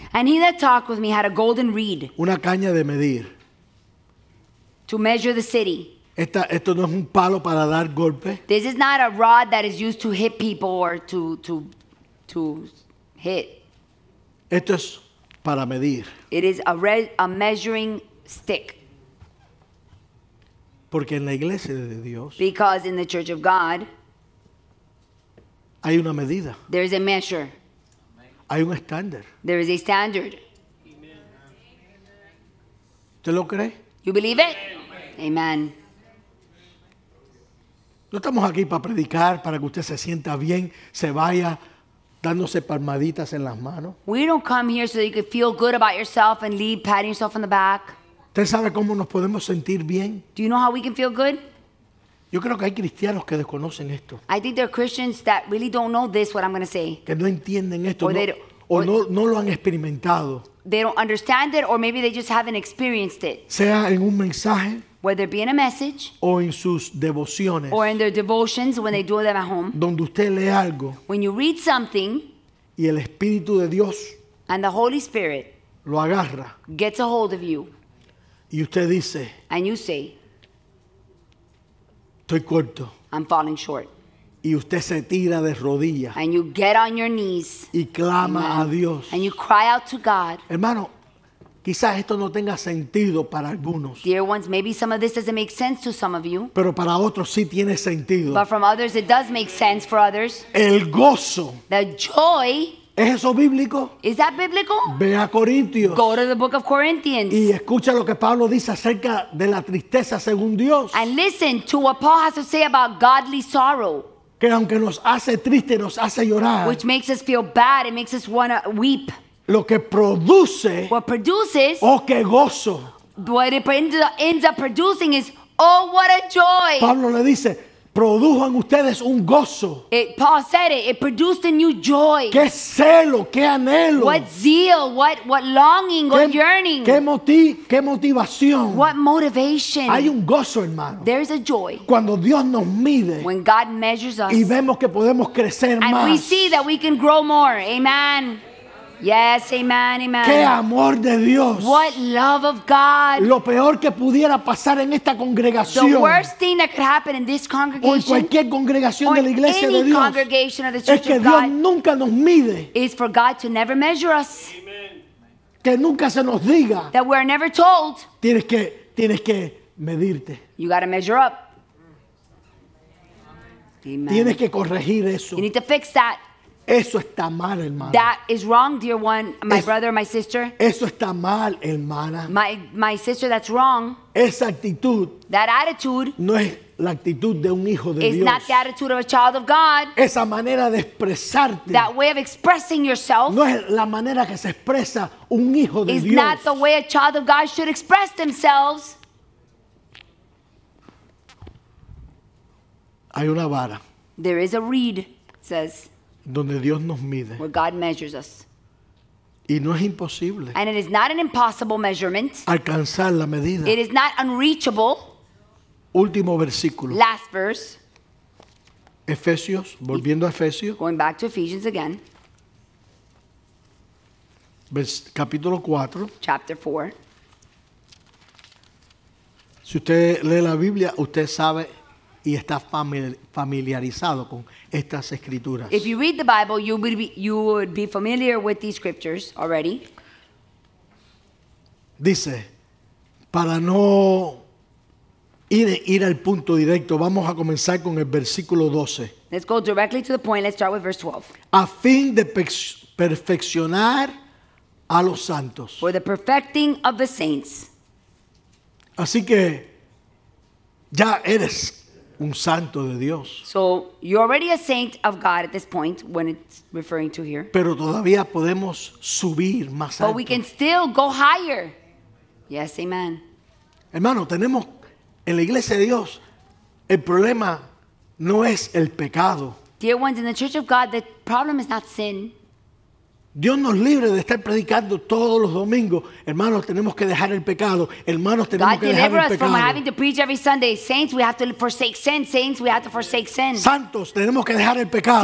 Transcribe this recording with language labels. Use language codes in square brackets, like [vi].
[en] And he that talked with me had a golden reed. [es] Una caña de medir. [en] To measure the city. [es] Esto no es un palo para dar golpe. [en] This is not a rod that is used to hit people or to hit. [es] Esto es para medir. [en] It is a measuring stick. [es] Porque en la iglesia de Dios. [en] Because in the church of God. [es] Hay una medida. [en] There is a measure. [es] Hay un estándar. [en] There is a standard. [es] ¿Te lo crees? [en] You believe it? Amen. [es] No estamos aquí para predicar, para que usted se sienta bien, se vaya dándose palmaditas en las manos. [en] We don't come here so you can feel good about yourself and leave patting yourself on the back. [es] ¿Usted sabe cómo nos podemos sentir bien? [en] Do you know how we can feel good? [es] Yo creo que hay cristianos que desconocen esto. [en] I think there are Christians that really don't know this, what I'm going to say. [es] Que no entienden esto. No lo han experimentado. [en] They don't understand it, or maybe they just haven't experienced it. [es] Sea en un mensaje. [en] Whether it be in a message. [es] O en sus devociones. [en] Or in their devotions when they do them at home. [es] Donde usted lee algo. [en] When you read something. [es] Y el Espíritu de Dios. [en] And the Holy Spirit. [es] Lo agarra. [en] Gets a hold of you. [es] Y usted dice. [en] And you say. [es] Estoy corto. [en] I'm falling short. [es] Y usted se tira de rodillas. [en] And you get on your knees. [es] Y clama a Dios. [en] And you cry out to God. [es] Hermano, quizás esto no tenga sentido para algunos. [en] Dear ones, maybe some of this doesn't make sense to some of you. [es] Pero para otros sí tiene sentido. [en] But from others it does make sense for others. [es] El gozo. [en] The joy. [es] ¿Es eso bíblico? [en] Is that biblical? [es] Ve a Corintios. [en] Go to the book of Corinthians. [es] Y escucha lo que Pablo dice acerca de la tristeza según Dios. [en] And listen to what Paul has to say about godly sorrow. [es] Que aunque nos hace triste, nos hace llorar. [en] Which makes us feel bad, it makes us want to weep. [es] Lo que produce. [en] What produces. [es] Oh, qué gozo. [en] What it ends up producing is, oh, what a joy. [es] Pablo le dice, produjo en ustedes un gozo. [en] Paul said it. It produced a new joy. [es] Qué celo, qué anhelo. [en] What zeal, what longing, what yearning. [es] Qué motivación. [en] What motivation. [es] Hay un gozo, hermano. [en] There is a joy. [es] Cuando Dios nos mide. [en] When God measures us. [es] Y vemos que podemos crecer [en] and [es] más. [en] And we see that we can grow more. Amen. Yes, amen, amen. [es] Qué amor de Dios. [en] What love of God. [es] Lo peor que pudiera pasar en esta congregación. [en] The worst thing that could happen in this congregation. [es] O en cualquier congregación de la iglesia de Dios. [en] Any congregation of the church of God. [es] Es que Dios nunca nos mide. [en] Is for God to never measure us. [es] Amen. Que nunca se nos diga. [en] That we're never told. [es] Tienes que medirte. [en] You got to measure up. Amen. [es] Tienes que corregir eso. [en] You need to fix that. [es] Eso está mal, hermana. [en] That is wrong, dear one, my brother, my sister. [es] Eso está mal, hermana. [en] My sister, that's wrong. [es] Esa actitud. [en] That attitude. [es] No es la actitud de un hijo de Dios. [en] It's not the attitude of a child of God. [es] Esa manera de expresarte. [en] That way of expressing yourself. [es] No es la manera que se expresa un hijo de Dios. [en] It's not the way a child of God should express themselves. [es] Hay una vara. [en] There is a reed, says. [es] Donde Dios nos mide. [en] Where God measures us. [es] Y no es imposible. [en] And it is not an impossible measurement. [es] Alcanzar la medida. [en] It is not unreachable. [es] Último versículo. [en] Last verse. [es] Efesios, volviendo a Efesios. [en] Going back to Ephesians again. [es] Capítulo 4. [en] Chapter 4. [es] Si usted lee la Biblia, usted sabe y está familiarizado con estas escrituras. [en] If you read the Bible, you would be familiar with these scriptures already. [es] Dice, para no ir al punto directo, vamos a comenzar con el versículo 12. [en] Let's go directly to the point. Let's start with verse 12. [es] A fin de perfeccionar a los santos. [en] For the perfecting of the saints. [es] Así que ya eres un santo de Dios. [en] So you're already a saint of God at this point when it's referring to here. [es] Pero todavía podemos subir más alto. [en] But we can still go higher. Yes, amen. [es] Hermano, tenemos en la iglesia de Dios el problema no es el pecado. [en] Dear ones, in the church of God, the problem is not sin. [es] Dios nos libre de estar predicando todos los domingos. Hermanos, tenemos que dejar el pecado. Hermanos, tenemos [en] God [es] que dejar el pecado. [en] God deliver us from having to preach every Sunday. Saints, we have to forsake sin. Saints, we have to forsake sin. [es] Santos, tenemos que dejar el pecado.